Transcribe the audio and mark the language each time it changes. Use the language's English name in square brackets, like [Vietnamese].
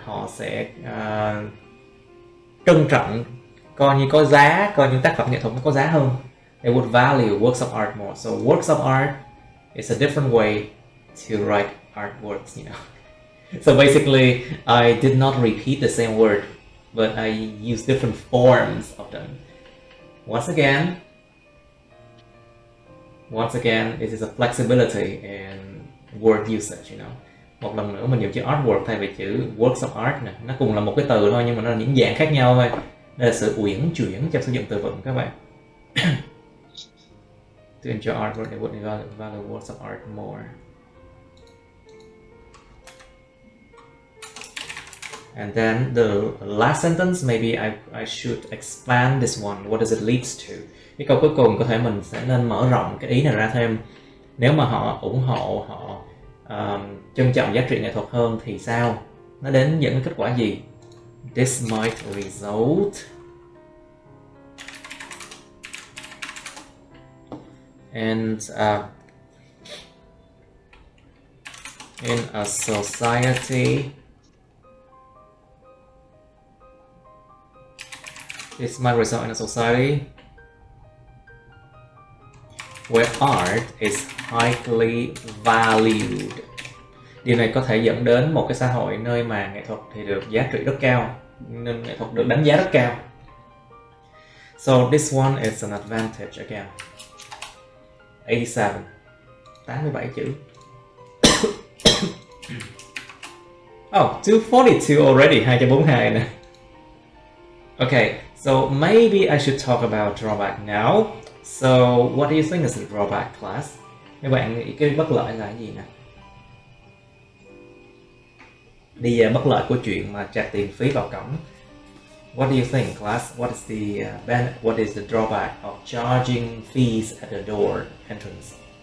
[Vietnamese] Họ sẽ, trân trọng, coi như có giá, coi những tác phẩm nghệ thuật nó có giá hơn. [English] They would value works of art more. So works of art is a different way to write artworks, you know. So basically, I did not repeat the same word, but I use different forms of them. Once again, this is a flexibility in word usage, you know. [Vietnamese] Một lần nữa mình dùng chữ artwork thay vì chữ works of art nè. Nó cùng là một cái từ thôi nhưng mà nó là những dạng khác nhau thôi. Đây là sự uyển chuyển trong sử dụng từ vựng các bạn. [English] To enjoy artwork, they would value works of art more. And then the last sentence, maybe I should expand this one. What does it lead to? [Vietnamese] Cái câu cuối cùng có thể mình sẽ nên mở rộng cái ý này ra thêm. Nếu mà họ ủng hộ, họ trân trọng giá trị nghệ thuật hơn thì sao? Nó đến những kết quả gì? [English] This might result in a society. This might result in a society where art is highly valued. [Vietnamese] Điều này có thể dẫn đến một cái xã hội nơi mà nghệ thuật thì được giá trị rất cao, nên nghệ thuật được đánh giá rất cao. [English] So this one is an advantage again. [Vietnamese] 87 chữ. [English] 242 already, 242 nè. Okay, so maybe I should talk about drawback now. So what do you think is the drawback class? [Vietnamese] Các bạn nghĩ cái bất lợi là gì nè? Đi về bất lợi của chuyện mà trả tiền phí vào cổng. [English] What do you think, class? What is the what is the drawback of charging fees at the door entrance?